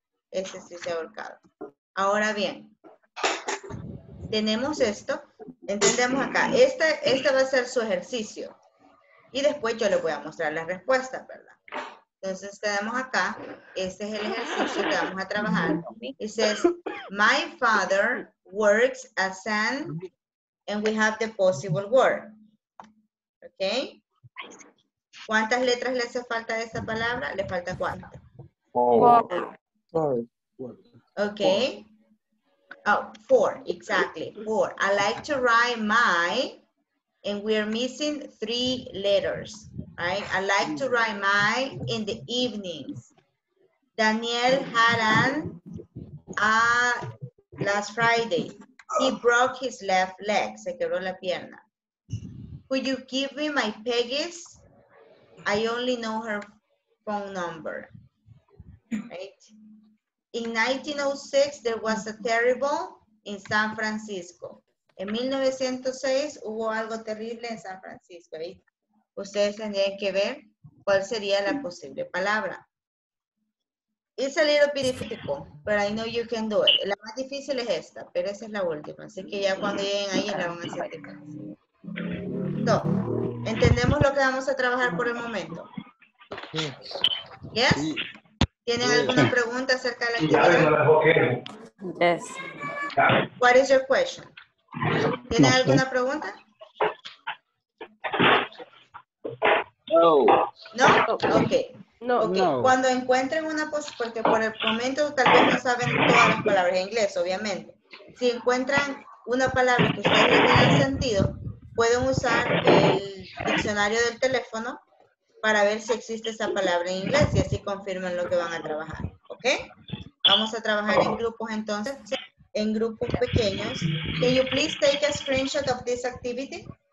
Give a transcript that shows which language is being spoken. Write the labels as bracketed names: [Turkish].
[Spanish] Ese sí es ahorcado. Ahora bien, tenemos esto. Entendemos acá. Este va a ser su ejercicio. Y después yo les voy a mostrar la respuesta, ¿verdad? Entonces tenemos acá, este es el ejercicio que vamos a trabajar. [English] It says, my father works as an, and we have the possible word. ¿Ok? [Spanish] ¿Cuántas letras le hace falta de esa palabra? Le falta cuatro. [English] Four. Ok. Four, exactly. Four. I like to write my, and we are missing three letters, right? I like to write my in the evenings. Daniel had an last Friday. He broke his left leg. [Spanish] Se quebró la pierna. [English] Could you give me my Peggy's? I only know her phone number. Right? In 1906, there was a terrible in San Francisco. [Spanish] En 1906, hubo algo terrible en San Francisco. ¿Eh? Ustedes tendrían que ver cuál sería la posible palabra. [English] It's a little bit difficult, but I know you can do it. [Spanish] La más difícil es esta, pero esa es la última. Así que ya cuando lleguen ahí, la van a hacer difícil. No. ¿Entendemos lo que vamos a trabajar por el momento? Yes. Sí. ¿Tienen alguna pregunta acerca de la actividad? Ya, no la toqué. [English] Yes. What is your question? [Spanish] ¿Tienen alguna pregunta? No. ¿No? Ok. No, okay. No. Cuando encuentren una pos, porque por el momento tal vez no saben todas las palabras en inglés, obviamente. Si encuentran una palabra que ustedes no tengan sentido, pueden usar el diccionario del teléfono para ver si existe esa palabra en inglés y así confirman lo que van a trabajar. ¿Ok? Vamos a trabajar en grupos entonces, en grupos pequeños. [English] Can you please take a screenshot of this activity?